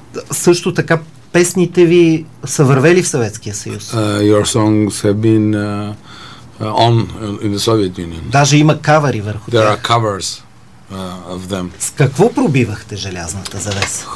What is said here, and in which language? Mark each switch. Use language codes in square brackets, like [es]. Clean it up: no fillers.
[bg] Също така песните ви са вървели в Съветския съюз. [en] Your songs have been on in the Soviet Union. [bg] Даже има кавери върху [en] There [bg] тях. [en] There are covers of them. [bg] С какво пробивахте желязната завеса?